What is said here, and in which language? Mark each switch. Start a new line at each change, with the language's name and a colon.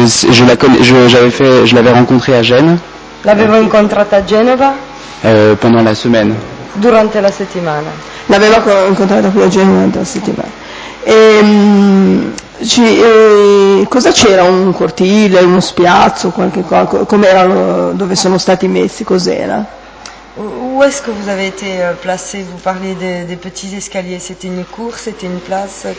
French: Je l'avais rencontré à Gênes.
Italian: L'avevo incontrata a Genova?
French: Pendant la semaine.
Italian: Durante la settimana. L'avevo incontrata qui a Genova durante la settimana. Cosa c'era? Un cortile, uno spiazzo, qualche cosa? Com'erano, dove sono stati messi? Cos'era?
French: Où est-ce que vous avez été placé? Vous parliez des petits escaliers. C'était une cour, c'était une place.